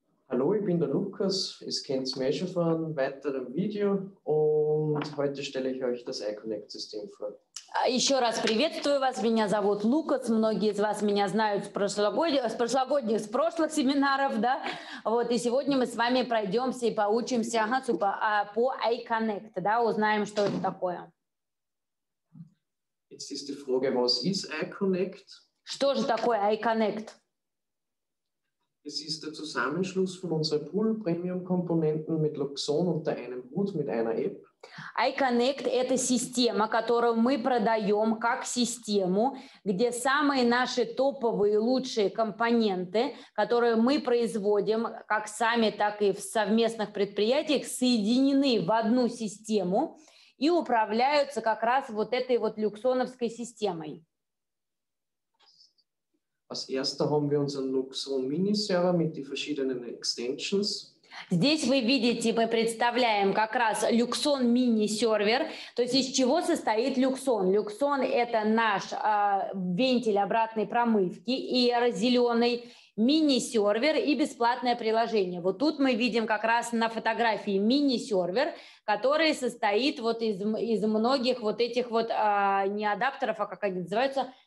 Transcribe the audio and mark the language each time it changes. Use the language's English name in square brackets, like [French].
[German] Hallo, ich bin der Lukas, ihr kennt es mir schon von einem weiteren Video und heute stelle ich euch das iConnect-System vor. [Russian] Еще раз приветствую вас, меня зовут Лукас, многие из вас меня знают с прошлых семинаров, да, вот, и сегодня мы с вами пройдемся и поучимся по iConnect, да, узнаем, что это такое. [German] Jetzt ist die Frage, was ist iConnect? [Russian] Что же такое iConnect? [German] Es ist der Zusammenschluss von unseren Pool-Premium-Komponenten mit Luxon unter einem Hut mit einer App. [Russian] iConnect – это система, которую мы продаем как систему, где самые наши топовые лучшие компоненты, которые мы производим как сами, так и в совместных предприятиях, соединены в одну систему и управляются как раз вот этой вот люксоновской системой. [German] Als erster haben wir unseren Luxon Mini-Server mit den verschiedenen Extensions. [Russian] Здесь вы видите, мы представляем как раз Luxon Mini-Server. То есть из чего состоит Luxon? Luxon – это наш вентиль обратной промывки, и зеленый. мини-сервер и бесплатное приложение. Вот тут мы видим как раз на фотографии мини-сервер, который состоит вот из многих вот этих вот не адаптеров, а как они называются?